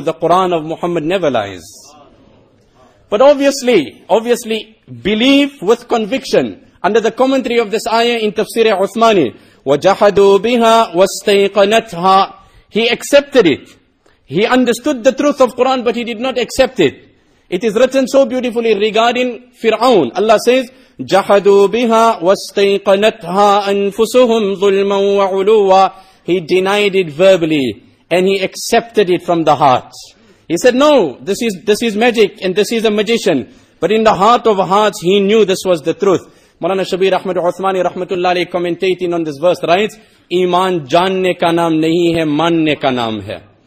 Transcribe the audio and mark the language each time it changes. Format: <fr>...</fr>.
<en>The Quran of Muhammad never lies. But obviously, believe with conviction. Under the commentary of this ayah in Tafsir Uthmani,</en> <ar>وَجَحَدُوا بِهَا وَاسْتَيْقَنَتْهَا,</ar> <en>he accepted it. He understood the truth of Quran, but he did not accept it. It is written so beautifully regarding Fir'aun.</en> <ar>Allah says, جَحَدُوا بِهَا وَاسْتَيْقَنَتْهَا أَنفُسُهُمْ ظُلْمًا وَعُلُوًا.</ar> <en>He denied it verbally, and he accepted it from the heart. He said, no, this is magic, and this is a magician. But in the heart of hearts, he knew this was the truth. Mawlana Shabir Ahmed Uthmani rahmatullah alayhi commentating on this verse writes,</en> <ur>Iman janne ka naam nahi hai, manne ka naam hai.</ur>